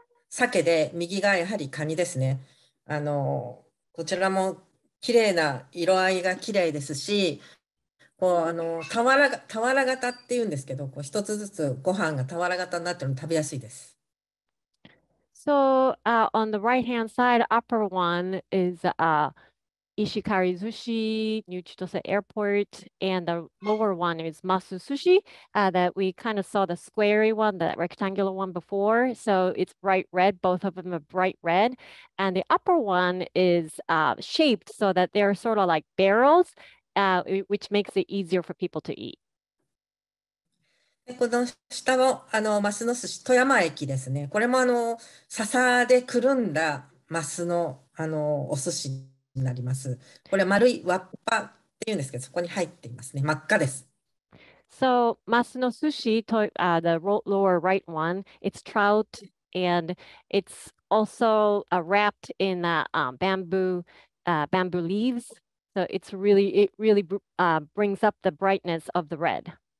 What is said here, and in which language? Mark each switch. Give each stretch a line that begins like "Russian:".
Japanese: 鮭で右がやはりカニですね。あのこちらも綺麗な色合いが綺麗ですし、こうあの俵型っていうんですけど、こう一つずつご飯が俵型になってるの食べやすいです。
English: So, on the right hand side, upper one is Ishikari sushi, New Chitose Airport, and the lower one is Masu sushi that we kind of saw the squarey one, the rectangular one before. So it's bright red, both of them are bright red. And the upper one is shaped so that they're sort of like barrels, which makes it easier for people to eat.
Japanese: この下の、 あのマスの寿司、富山駅ですね。これもあの笹でくるんだマスの、 あのお寿司。なります。これ丸いわっぱって言うんですけど、そこに入っていますね。真っ赤です。
English: So, masu no sushi, the lower right one, it's trout and it's also wrapped in bamboo leaves. So it's really, it really brings up the brightness of the red.